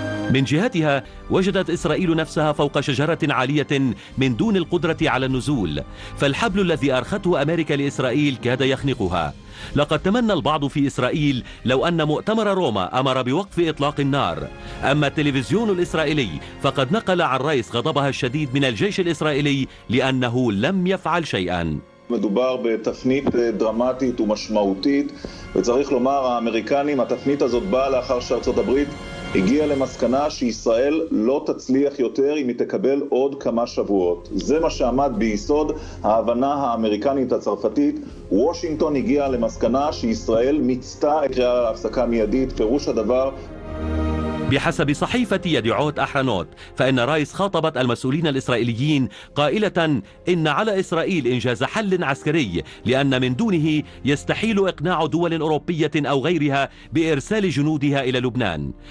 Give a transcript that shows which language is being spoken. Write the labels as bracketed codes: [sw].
[ar] من جهتها وجدت إسرائيل نفسها فوق شجرة عالية من دون القدرة على النزول، فالحبل الذي أرخته أمريكا لإسرائيل كاد يخنقها. لقد تمنى البعض في إسرائيل لو أن مؤتمر روما أمر بوقف إطلاق النار، أما التلفزيون الإسرائيلي فقد نقل عن رئيس غضبها الشديد من الجيش الإسرائيلي لأنه لم يفعل شيئا. [he] מדובר בתפנית דרמטית ומשמעותית, וצריך לומר האמריקנים, התפנית הזאת באה לאחר שארצות הברית הגיעה למסקנה שישראל לא תצליח יותר אם היא תקבל עוד כמה שבועות. זה מה שעמד ביסוד ההבנה האמריקנית הצרפתית. וושינגטון הגיעה למסקנה שישראל מיצתה את קריאה להפסקה מיידית, פירוש הדבר. [ar] بحسب صحيفة يديعوت أحرنوت فإن رايس خاطبت المسؤولين الإسرائيليين قائلة إن على إسرائيل إنجاز حل عسكري لأن من دونه يستحيل إقناع دول أوروبية أو غيرها بإرسال جنودها إلى لبنان.